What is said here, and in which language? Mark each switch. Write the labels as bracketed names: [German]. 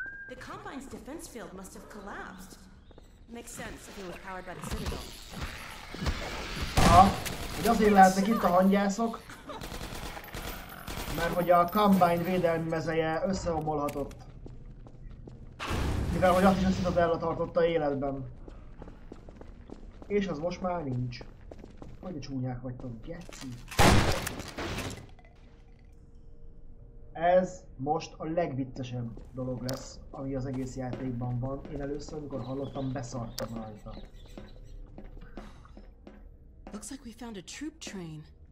[English] The Combine's defense field must have collapsed. Makes sense if he was powered by the Citadel. [Hungarian] Aha, hogy azért lehetnek itt a hangyászok. Mert hogy a Combine védelmi mezeje összeomolhatott. Mivel hogy azt is a Citadella tartotta életben. És az most már nincs. Hogy a csúnyák vagytok, geci? Ez most a legviccesebb dolog lesz, ami az egész játékban van. Én először, amikor hallottam, beszartam rajta. [English] Looks like we found a troop train.